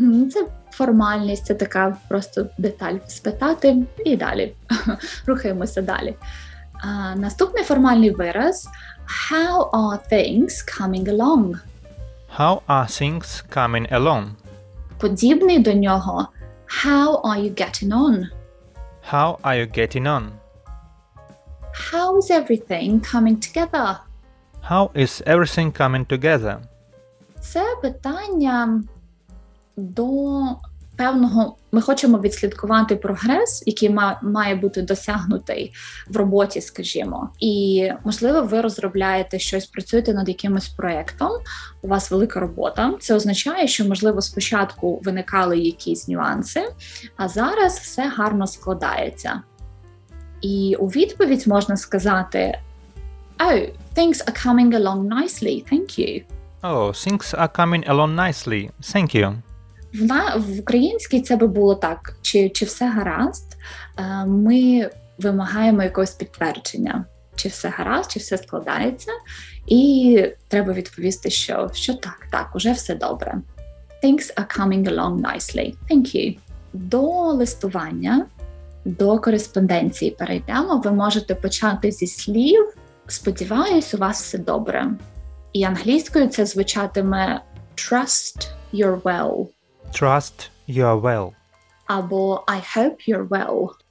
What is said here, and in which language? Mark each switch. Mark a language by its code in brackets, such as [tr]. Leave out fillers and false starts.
[uk] Це формальність, це така просто деталь спитати. І далі. Рухаємося далі. Наступний формальний вираз. [en] How are things coming along? How are things coming along? [uk] Подібний до нього. [en] How are you getting on? How are you getting on? How is everything coming together? How is everything coming together? [uk] Це питання до певного, ми хочемо відслідкувати прогрес, який має бути досягнутий в роботі, скажімо. І, можливо, ви розробляєте щось, працюєте над якимось проєктом, у вас велика робота. Це означає, що, можливо, спочатку виникали якісь нюанси, а зараз все гарно складається. І у відповідь можна сказати: [en] «Oh, things are coming along nicely, thank you». «Oh, things are coming along nicely, thank you». [uk] В українській це би було так. Чи все гаразд? Ми вимагаємо якогось підтвердження. Чи все гаразд, чи все складається? І треба відповісти, що так, уже все добре. [en] «Things are coming along nicely, thank you». [uk] До листування, до кореспонденції перейдемо. Ви можете почати зі слів: «Сподіваюсь, у вас все добре». І англійською це звучатиме [en] «Trust you're well». «Trust you're well». Або «I hope you're well».